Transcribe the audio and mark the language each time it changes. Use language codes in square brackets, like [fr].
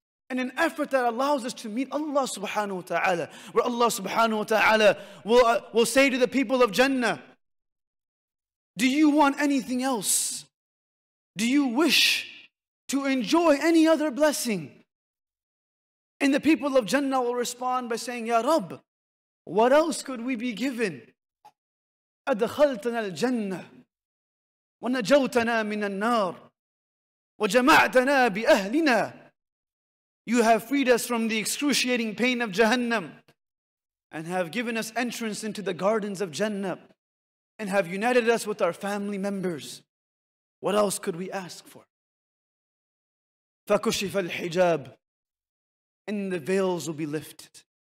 [en] And an effort that allows us to meet Allah subhanahu wa ta'ala. Where Allah subhanahu wa ta'ala will say to the people of Jannah, do you want anything else? Do you wish to enjoy any other blessing? And the people of Jannah will respond by saying, Ya Rabb, what else could we be given? [ar] أدخلتنا الجنة ونجوتنا من النار وجمعتنا بأهلنا. [en] You have freed us from the excruciating pain of Jahannam and have given us entrance into the gardens of Jannah and have united us with our family members. What else could we ask for? [ar] فَكُشِفَ الْحِجَابِ [en] And the veils will be lifted.